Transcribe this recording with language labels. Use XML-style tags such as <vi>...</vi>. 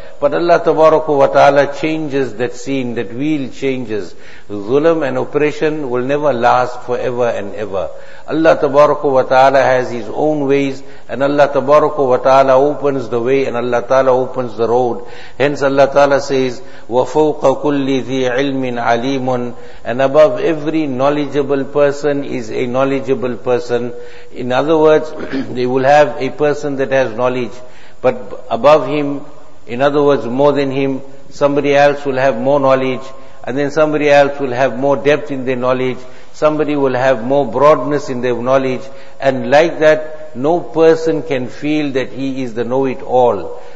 <en>But Allah tabaraka wa ta'ala changes that scene, that wheel changes. Zulm and oppression will never last forever and ever. Allah tabaraka wa ta'ala has his own ways, and Allah tabaraka wa ta'ala opens the way, and Allah ta'ala opens the road. Hence Allah ta'ala says,</en> <ar>وَفَوْقَ كُلِّ ذِي عِلْمٍ عَلِيمٌ.</ar> <en>And above every knowledgeable person is a knowledgeable person. In other words, they will have a person that has knowledge, but above him, in other words, more than him, somebody else will have more knowledge, and then somebody else will have more depth in their knowledge, somebody will have more broadness in their knowledge, and like that, no person can feel that he is the know-it-all.</en>